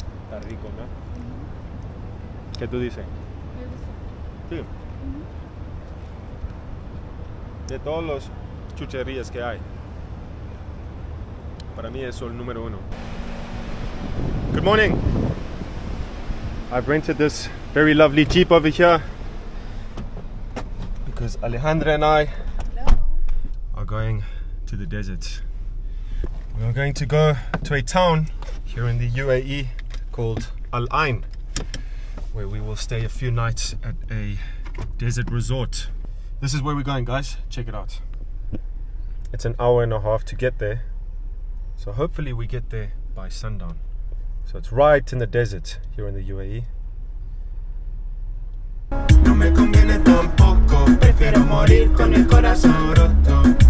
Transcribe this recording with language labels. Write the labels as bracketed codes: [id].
[es] Está rico, ¿no? Mm-hmm. ¿Qué tú dices? Me gusta. Sí. Mm-hmm. De todos los chucherías que hay, para mí es el número uno. [en] Good morning. I've rented this very lovely Jeep over here because Alejandra and I are going to the desert. We are going to go to a town here in the UAE called Al Ain, where we will stay a few nights at a desert resort. This is where we're going, guys. Check it out. It's an hour and a half to get there. So hopefully we get there by sundown. So it's right in the desert here in the UAE. [es] No me conviene tampoco, prefiero morir con el corazón roto.